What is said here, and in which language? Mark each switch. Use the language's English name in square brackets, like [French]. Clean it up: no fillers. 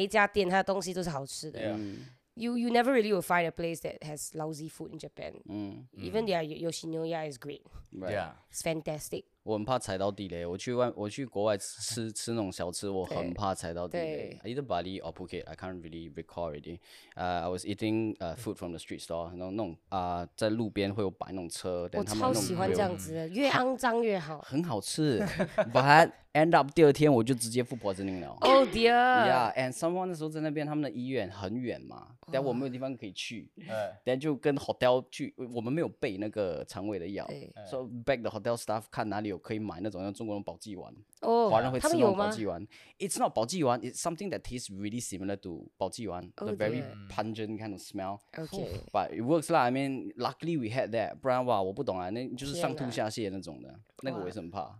[Chinese] 对，你去日本哦，你随随便便进哪一家店，它的东西都是好吃的。 [English] You never really will find a place that has lousy food in Japan. Mm. Even their Yoshinoya is great. Right. Yeah. It's fantastic. [Chinese] 我很怕踩到地雷，我去国外吃那种小吃，我很怕踩到地雷。 [English] Either Bali or Phuket, I can't really recall already. I was eating food from the street store, [Chinese] 然后那种在路边会有摆那种车，我超喜欢这样子的，越肮脏越好。很好吃, [English] but end up [Chinese] 第二天我就直接 [English] food poisoning [Chinese] 了。 [English] Oh dear! Yeah, and someone [Chinese] 那时候在那边，他们的医院很远嘛， then 我没有地方可以去， then 就跟 hotel 去，我们没有备那个肠胃的药， [English] so back the hotel staff [Chinese] 看哪里。有可以买那种像中国人保济丸，华人会吃那种保济丸。 [English] It's not 保济丸， it's something that tastes really similar to 保济丸， the very pungent kind of smell. Okay, but it works lah. I mean, luckily we had that. [Chinese] 不然哇，我不懂啊，那就是上吐下泻那种的，那个我也是很怕。